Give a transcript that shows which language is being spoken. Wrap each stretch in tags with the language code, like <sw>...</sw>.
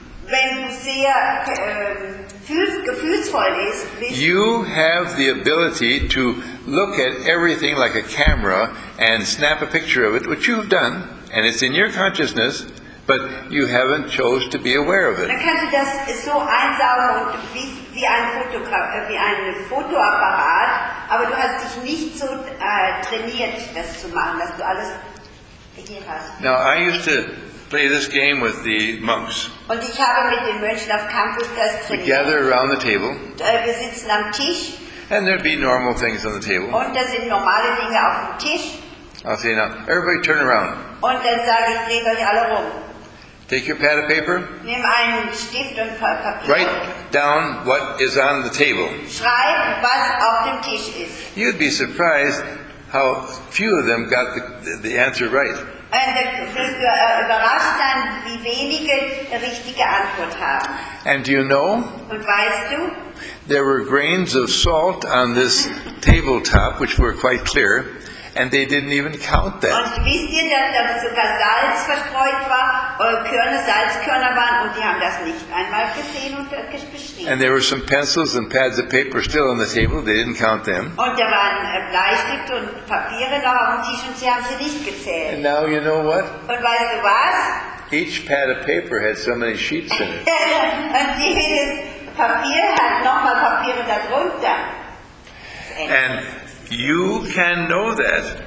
<de>wenn du sehr gefühlsvoll bist,</de> <en>you have the ability to look at everything like a camera and snap a picture of it, which you've done, and it's in your consciousness, but you haven't chose to be aware of it.</en> <de>Dann kannst du das so einsaugen und wie ein Fotoapparat, aber du hast dich nicht so trainiert, das zu machen, dass du alles hier hast.</de> <en>Now, I used to play this game with the monks.</en> <de>Und ich habe mit den Mönchen auf Campus das trainiert.</de> <en>We gather around the table.</en> <de>Wir sitzen am Tisch.</de> <en>And there'd be normal things on the table.</en> <de>Und da sind normale Dinge auf dem Tisch.</de> <en>I'll say, now, everybody turn around.</en> <de>Und dann sage ich, dreht euch alle rum.</de> <en>Take your pad of paper.</en> <de>Nimm einen Stift und Papier.</de> <en>Write down what is on the table.</en> <de>Schreib, was auf dem Tisch ist.</de> <en>You'd be surprised how few of them got the answer right.</en> <de>Und wirst du überrascht sein, wie wenige richtige Antwort haben.</de> <en>And do you know?</en> <de>Und weißt du?</de> <en>There were grains of salt on this tabletop, which were quite clear, and they didn't even count that.</en> <de>Und wisst ihr, dass da sogar Salz verstreut war, Salzkörner waren, und die haben das nicht einmal gesehen und beschrieben.</de> <en>And there were some pencils and pads of paper still on the table, they didn't count them.</en> <de>Und da waren Bleistifte und Papiere noch auf dem Tisch und sie haben sie nicht gezählt.</de> <en>And now you know what?</en> <de>Und weißt du was?</de> <en>Each pad of paper had so many sheets in it.</en> <de>Und jedes Papier hat nochmal Papiere darunter.</de> <en>And you can know that.</en>